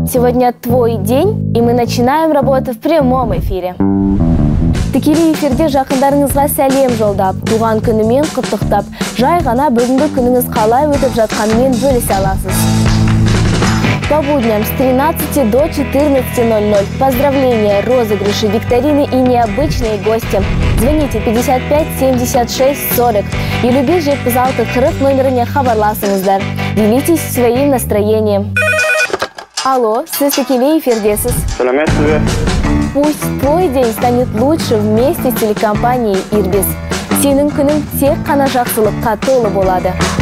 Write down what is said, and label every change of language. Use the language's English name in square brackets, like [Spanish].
[Russian] Сегодня твой день, и мы начинаем работу в прямом эфире. [Kazakh] Тікелей эфирде жақындарыңызға сәлем жолдап, туған күнімен құттықтап, жай ғана бүгінгі күніңіз қалай өтіп жатқанымен бөлісе аласыз. [Russian] По будням с 13 до 14.00. Поздравления, розыгрыши, викторины и необычные гости. Звоните 55 76 40 и любите же позалты 40 [Kazakh] номерыне хабарласыңыздар. [Russian] Делитесь своим настроением. [Kazakh] Алло, сіз тікелей эфирдесіз. Сәлеметсізбе. [Russian] Пусть твой день станет лучше вместе с телекомпанией «Ирбис». [Kazakh] Сенің күнің тек қана жақсылыққа толы болады.